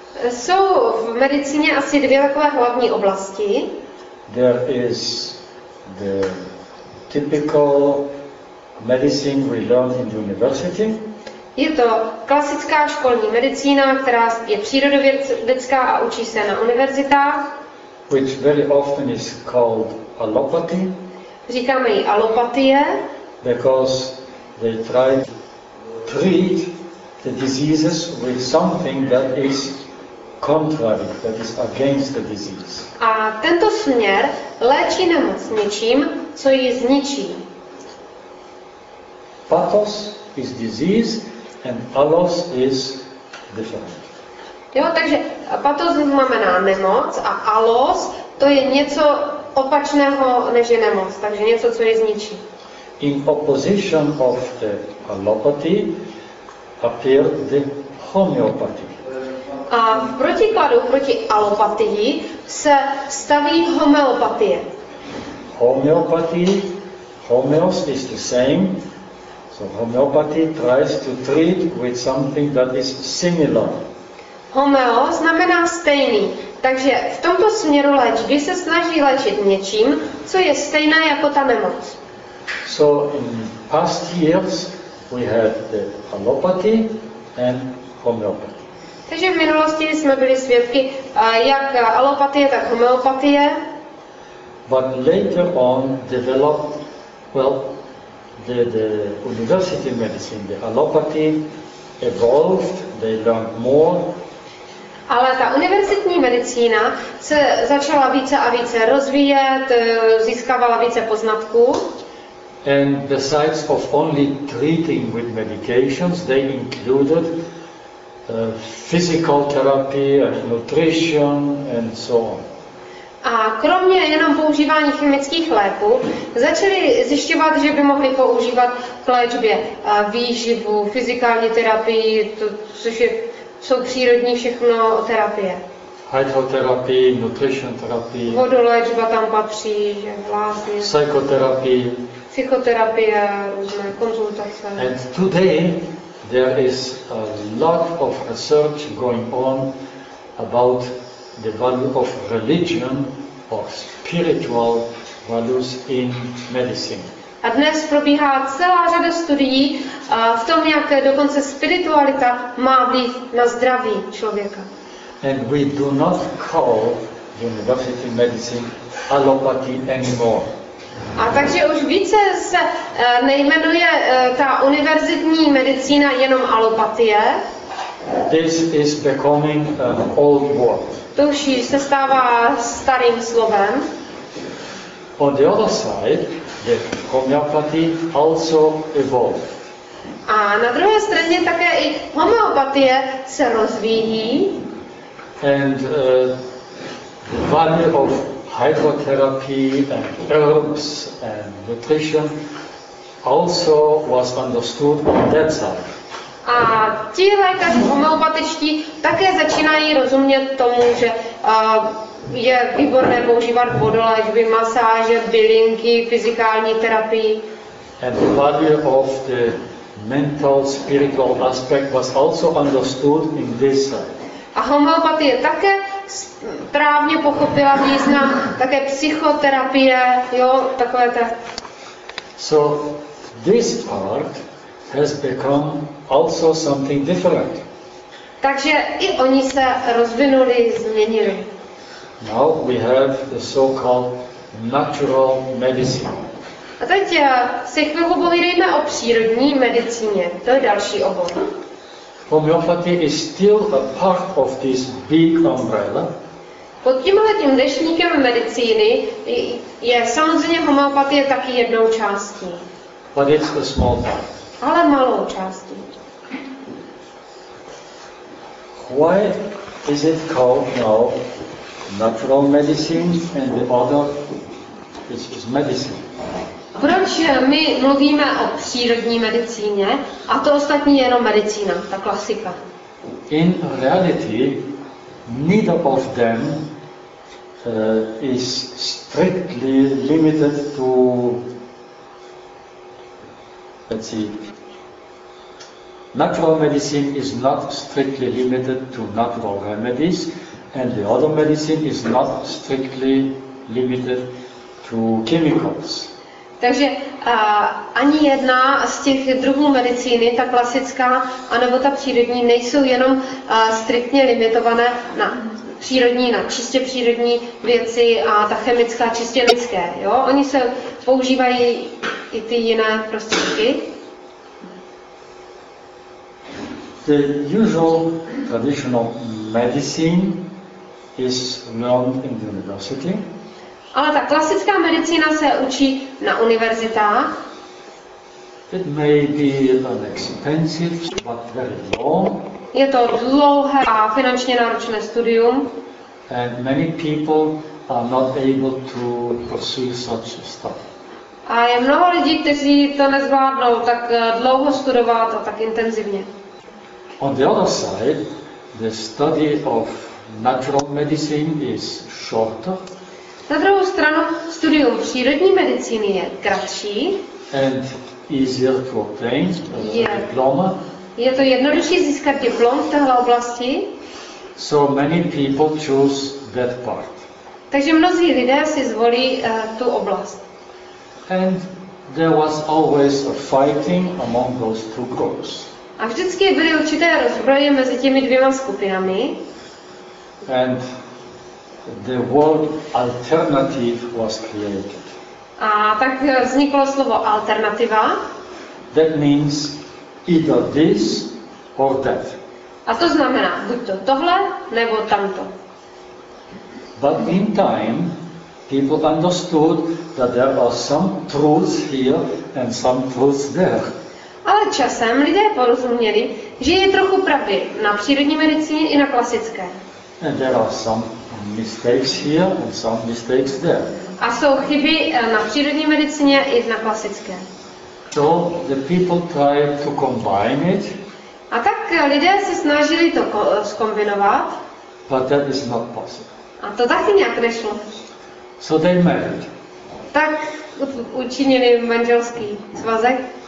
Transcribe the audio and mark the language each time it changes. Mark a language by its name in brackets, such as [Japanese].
[Czech] Jsou v medicíně asi dvě takové hlavní oblasti. [English] There is the typical medicine we learn in university. [Czech] Je to klasická školní medicína, která je přírodovědecká a učí se na univerzitách. [English] Which very often is called allopathy. [Czech] Říkáme ji allopatie. [English] Because they try to treat the diseases with something that is contrary, that is against the disease. [Czech] A tento směr léčí nemoc něčím, co ji zničí. [English] Pathos is disease and allos is different. [Czech] Jo, takže pathos znamená nemoc a allos to je něco opačného než je nemoc, takže něco, co ji zničí. [English] In opposition of the allopathy appeared the homeopathy. [Czech] A v protikladu proti alopatii se staví homeopatie. [English] Homeopatie, homeos is the same. So homeopathy tries to treat with something that is similar. [Czech] Homeo znamená stejný. Takže v tomto směru léčby se snaží léčit něčím, co je stejné jako ta nemoc. [English] So in past years we had the allopathy and homeopathy. [Czech] Takže v minulosti jsme byli svědky jak alopatie, tak homeopatie. [English] But later on developed, well, the university medicine, the allopathy evolved, they learned more. [Czech] Ale ta univerzitní medicína se začala více a více rozvíjet, získávala více poznatků. [English] And besides of only treating with medications, they included physical therapy and nutrition and so on. [Czech] A kromě jenom používání chemických léků, začali zjišťovat, že by mohli používat k léčbě výživu, fyzikální terapii, to, což je, jsou přírodní všechno terapie. Hydroterapii, nutrition terapii. Vodoléčba tam patří, že vlastně. Psychoterapii. Psychoterapie, různé konzultace. [English] And today there is a lot of research going on about the value of religion or spiritual values in medicine. [Czech] A dnes probíhá celá řada studií v tom, jak dokonce spiritualita má vliv na zdraví člověka. [English] And we do not call university medicine allopathy anymore. [Czech] A takže už více se nejmenuje ta univerzitní medicína jenom alopatie. [English] This is becoming an old word. [Czech] To už se stává starým slovem. [English] On the other side, the homeopathy also evolved. [Czech] A na druhé straně také i homeopatie se rozvíjí. [English] And the value of hydrotherapy and herbs and nutrition also was understood on that side. [Czech] A ti lékaři homeopatičtí také začínají rozumět tomu, že je výborné používat vodoléčby, masáže, bylinky, fyzikální terapii. [English] And the value of the mental spiritual aspect was also understood in this side. [Czech] A homeopatie také správně pochopila význam také psychoterapie, jo, takové ta. [English] So this part has become also something different. [Czech] Takže i oni se rozvinuli, změnili. [English] Now we have the so-called natural medicine. [Czech] A teď se chvilku povídejme o přírodní medicíně. To je další obor. [English] Homeopathy is still a part of this big umbrella. [Czech] Pod tímhle tím deštníkem medicíny je samozřejmě homeopatie taky jednou částí. [English] But it's a small part. [Czech] Ale malou částí. [English] Why is it called now natural medicine and the other is medicine? [Czech] Proč my mluvíme o přírodní medicíně a to ostatní je jenom medicína, ta klasika? [English] In reality, neither of them is strictly limited to, let's see, natural medicine is not strictly limited to natural remedies, and the other medicine is not strictly limited to chemicals. [Czech] Takže ani jedna z těch druhů medicíny, ta klasická, anebo ta přírodní, nejsou jenom striktně limitované na přírodní, na čistě přírodní věci a ta chemická čistě lidské. Jo? Oni se používají i ty jiné prostředky. [English] The usual traditional medicine is learned in the university. [Czech] Ale ta klasická medicína se učí na univerzitách. [English] It may be an expensive, but very long. [Czech] Je to dlouhé a finančně náročné studium. [English] And many people are not able to pursue such stuff. [Czech] A je mnoho lidí, kteří to nezvládnou tak dlouho studovat a tak intenzivně. [English] On the other side, the study of natural medicine is shorter. [Czech] Na druhou stranu studium přírodní medicíny je kratší. [English] And easier to obtain a diploma. [Czech] Je to jednodušší získat diplom v téhle oblasti. [English] So many people choose that part. [Czech] Takže mnozí lidé si zvolí tu oblast. [English] And there was always a fighting among those two groups. [Czech] A vždycky byly určité rozbroje mezi těmi dvěma skupinami. [English] And the word alternative was created. [Czech] A tak vzniklo slovo alternativa. [English] That means either this or that. [Czech] A to znamená buď to tohle nebo tamto. [English] But in time people understood that there are some truths here and some truths there. [Czech] Ale časem lidé porozuměli, že je trochu pravdy na přírodní medicíně i na klasické. [English] And there are some mistakes here and some mistakes there. [Czech] A jsou chyby na přírodní medicíně i na klasické. [English] So the people try to combine it. [Czech] A tak lidé se snažili to zkombinovat. [English] But that is not possible. [Czech] A to taky nějak nešlo. [English] So they married. [Czech] Tak učinili manželský svazek.